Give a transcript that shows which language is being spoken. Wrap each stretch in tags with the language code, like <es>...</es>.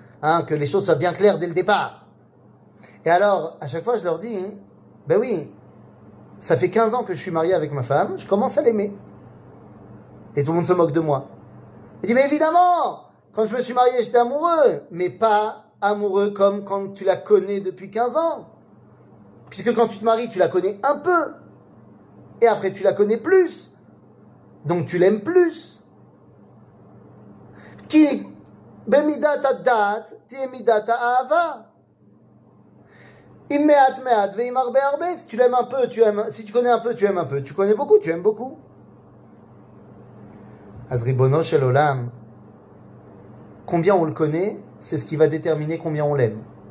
<fr>Hein, que les choses soient bien claires dès le départ. Et alors, à chaque fois, je leur dis, ben oui, ça fait 15 ans que je suis marié avec ma femme, je commence à l'aimer. Et tout le monde se moque de moi. Il dit, mais évidemment, quand je me suis marié, j'étais amoureux, mais pas amoureux comme quand tu la connais depuis 15 ans. Puisque quand tu te maries, tu la connais un peu. Et après, tu la connais plus. Donc, tu l'aimes plus.</fr> <he>Qui במידת הדעת תהיה מידת האהבה. אם מעט מעט ואם הרבה הרבה,</he> <fr>si tu l'aimes un peu, tu aimes, si tu connais un peu, tu aimes un peu, tu connais beaucoup, tu aimes beaucoup.</fr> <he>אז ריבונו של עולם,</he> <fr>combien on le connaît, c'est ce qui va déterminer combien on l'aime.</fr>